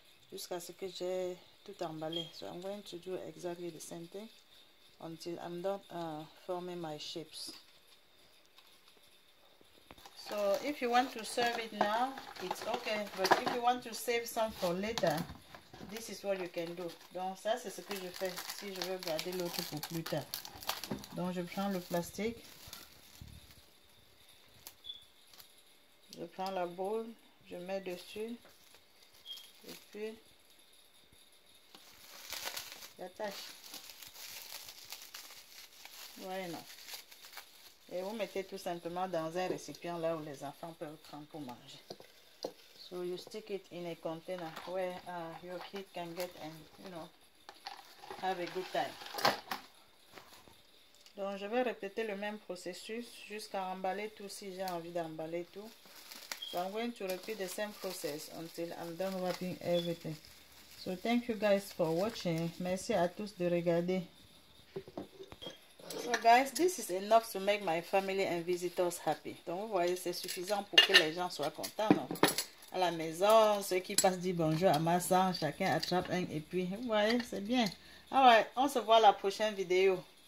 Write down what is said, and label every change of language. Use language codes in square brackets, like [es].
[fr] Jusqu'à ce que j'ai tout emballé. [en] So I'm going to do exactly the same thing. Until I'm done forming my shapes. So if you want to serve it now, it's okay. But if you want to save some for later, this is what you can do. [fr] Donc ça, c'est ce que je fais si je veux garder l'autre pour plus tard. Donc je prends le plastique. Je prends la boule, je mets dessus. Et puis, j'attache. Ouais, non. Et vous mettez tout simplement dans un récipient là où les enfants peuvent prendre pour manger. [en] So you stick it in a container where your kid can get and, you know, have a good time. [fr] Donc je vais répéter le même processus jusqu'à emballer tout si j'ai envie d'emballer tout. [en] So I'm going to repeat the same process until I'm done wrapping everything. So thank you guys for watching. [fr] Merci à tous de regarder. [en] So guys, this is enough to make my family and visitors happy. [fr] Donc vous voyez, c'est suffisant pour que les gens soient contents. Non? À la maison, ceux qui passent disent bonjour à ma sœur, chacun attrape un et puis vous voyez, c'est bien. Alright, on se voit à la prochaine vidéo.